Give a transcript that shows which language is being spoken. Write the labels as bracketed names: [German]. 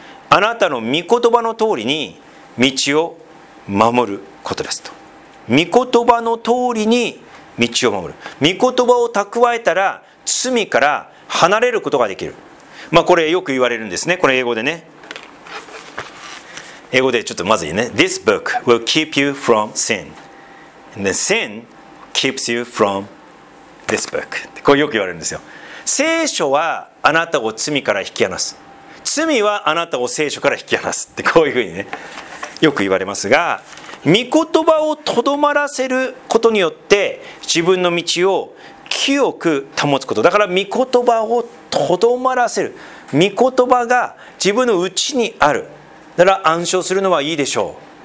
[Japanese] あなたの御言葉の通りに道を守ることですと。御言葉の通りに道を守る。御言葉を蓄えたら罪から離れることができる。まあこれよく言われるんですね。これ英語でね、英語でちょっとまずいね。 [English] This book will keep you from sin and the sin keeps you from this book。 [Japanese] これよく言われるんですよ。聖書はあなたを罪から引き離す、罪はあなたを聖書から引き離すって、こういうふうにねよく言われますが、御言葉をとどまらせることによって自分の道を清く保つこと。だから御言葉をとどまらせる、御言葉が自分の内にある、だから暗唱するのはいいでしょう。